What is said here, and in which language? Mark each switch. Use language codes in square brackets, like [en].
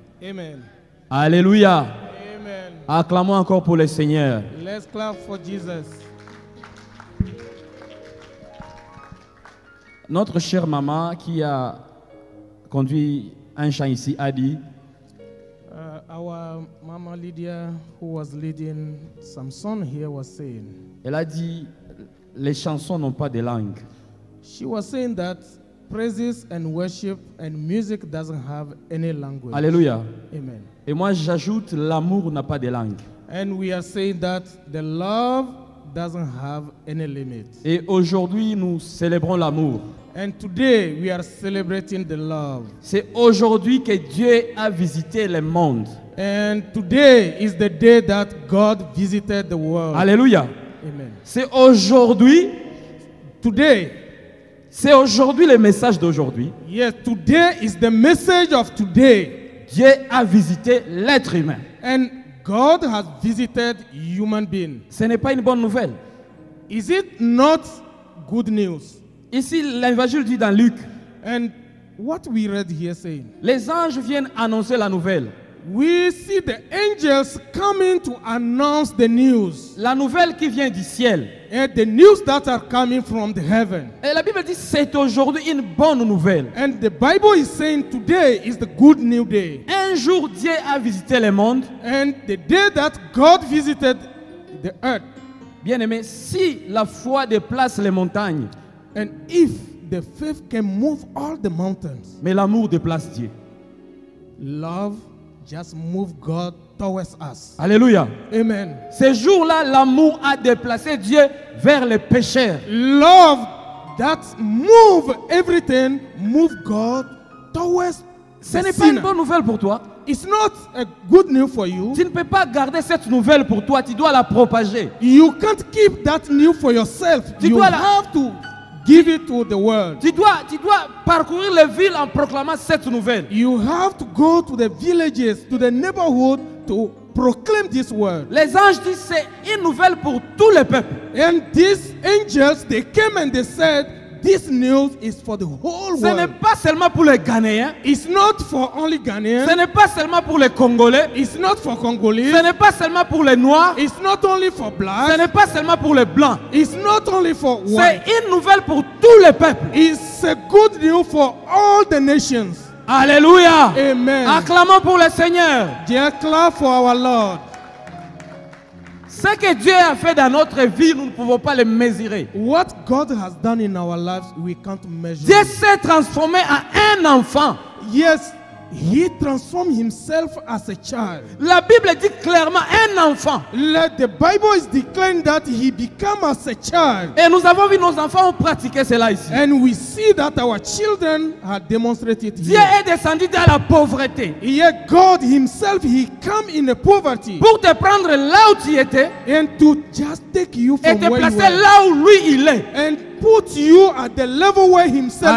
[fr] Amen. Alléluia. Amen. Acclamons encore pour le Seigneur. [en] Let's clap for Jesus. [fr] Notre chère maman qui a conduit un chant ici a dit [en] our mama Lydia who was leading some song here was saying [fr] elle a dit les chansons n'ont pas de langue. [en] She was saying that praises and worship and music doesn't have any language. Alléluia. Amen. [fr] Et moi j'ajoute l'amour n'a pas de langue. [en] And we are saying that the love doesn't have any limit. [fr] Et aujourd'hui nous célébrons l'amour. [en] And today we are celebrating the love. [fr] C'est aujourd'hui que Dieu a visité le monde. [en] And today is the day that God visited the world. Alléluia. Amen. [fr] C'est aujourd'hui. [en] Today. [fr] C'est aujourd'hui le message d'aujourd'hui. [en] Yes, today is the message of today. [fr] Dieu a visité l'être humain. [en] And God has visited human being. [fr] Ce n'est pas une bonne nouvelle. [en] Is it not good news? [fr] Ici, l'évangile dit dans Luc. [en] And what we read here saying? [fr] Les anges viennent annoncer la nouvelle. [en] We see the angels coming to announce the news. [fr] La nouvelle qui vient du ciel. [en] And the news that are coming from the heaven. [fr] Et la Bible dit c'est aujourd'hui une bonne nouvelle. [en] And the Bible is saying today is the good new day. [fr] Un jour Dieu a visité le monde. [en] And the day that God visited the earth. [fr] Bien-aimé, si la foi déplace les montagnes. [en] And if the faith can move all the mountains. [fr] Mais l'amour déplace Dieu. [en] Love just move God towards us. Alléluia. Amen. [fr] Ce jour-là, l'amour a déplacé Dieu vers les pécheurs. [en] Love that move everything move God towards [fr] ce n'est pas une bonne nouvelle pour toi. [en] It's not a good news for you. [fr] Tu ne peux pas garder cette nouvelle pour toi, tu dois la propager. [en] You can't keep that news for yourself. You have to give it to the world. [fr] Tu dois parcourir les villes en proclamant cette nouvelle. [en] You have to go to the villages, to the neighborhood to proclaim this word. [fr] Les anges disent c'est une nouvelle pour tous les peuples. [en] And these angels, they came and they said, this news is for the whole world. [fr] Ce n'est pas seulement pour les Ghanéens. [en] It's not for only Ghanaians. [fr] Ce n'est pas seulement pour les Congolais. [en] It's not for Congolese. [fr] Ce n'est pas seulement pour les Noirs. [en] It's not only for Blacks. [fr] Ce n'est pas seulement pour les Blancs. [en] It's not only for white. [fr] C'est une nouvelle pour tous les peuples. [en] It's a good news for all the nations. Alléluia. Amen. [fr] Acclamons pour le Seigneur. [en] Dear clap for our Lord. [fr] Ce que Dieu a fait dans notre vie, nous ne pouvons pas le mesurer. [en] What God has done in our lives, we can't measure. [fr] Dieu s'est transformé en un enfant. [en] Yes, he transformed himself as a child. [fr] La Bible dit clairement un enfant. [en] The Bible is declaring that he became as a child. [fr] Et nous avons vu nos enfants ont pratiqué cela ici. [en] And we see that our children have demonstrated it. [fr] Dieu est descendu dans la pauvreté. [en] Yet God himself, he came in the poverty. [fr] Pour te prendre là où tu étais. [en] And to just take you from where you were. [fr] Et te placer là où lui il est. [en] And put you at the level where himself